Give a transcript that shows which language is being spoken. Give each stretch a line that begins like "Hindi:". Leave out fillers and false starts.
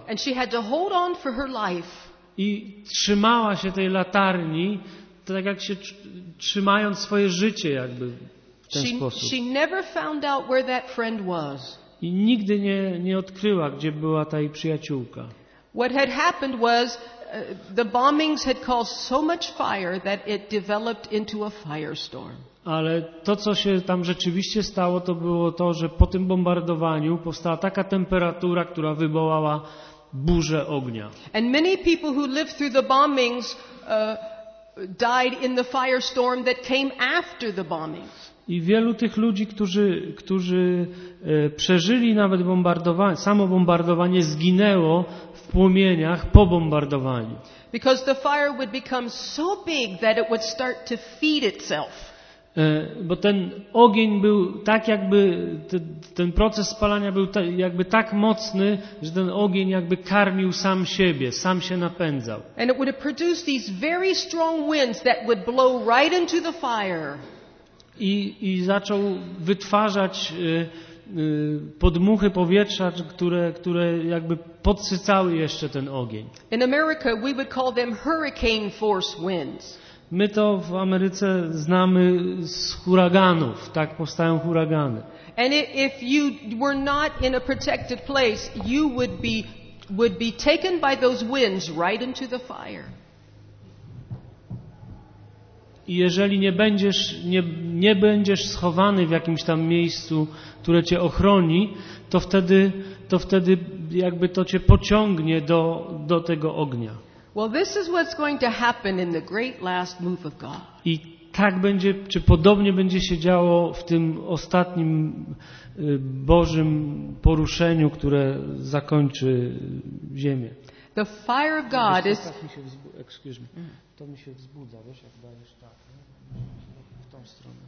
English: And she had to hold on for her life.
Polish: I trzymała się tej latarni, tak jak się trzymając swoje życie jakby w ten sposób.
English: She never found out where that friend was.
Polish: I nigdy nie odkryła, gdzie była ta jej przyjaciółka.
English: What had happened was the bombings had caused so much fire that it developed into a firestorm.
Polish: Ale to, co się tam rzeczywiście stało, to było to, że po tym bombardowaniu powstała taka temperatura, która wywołała burzę ognia.
English: And many people who lived through the bombings died in the firestorm that came after the bombings.
Polish: I wielu tych ludzi, którzy przeżyli nawet bombardowanie, samo bombardowanie, zginęło w płomieniach po bombardowaniu.
English: Because the fire would become so big that it would start to feed itself.
Polish: Bo ten ogień był tak jakby, ten proces spalania był jakby tak mocny, że ten ogień jakby karmił sam siebie, sam się napędzał.
English: And it would have produced these very strong winds that would blow right into the fire.
Polish: I zaczął wytwarzać podmuchy powietrza, które jakby podsycały jeszcze ten ogień.
English: In America we would call them hurricane force winds.
Polish: My to w Ameryce znamy z huraganów, tak powstają huragany.
English: And if you were not in a protected place, you would be taken by those winds right into the fire.
Polish: I jeżeli nie będziesz schowany w jakimś tam miejscu, które cię ochroni, to wtedy jakby to cię pociągnie do tego ognia.
English: Well, this is what's going to happen in the great last move of God.
Polish: I tak będzie, czy podobnie będzie się działo w tym ostatnim Bożym poruszeniu, które zakończy ziemię.
English: The fire of God is. Excuse me.
Polish: To mi się wzbudza, wiesz, jak dajesz tak, w tą stronę.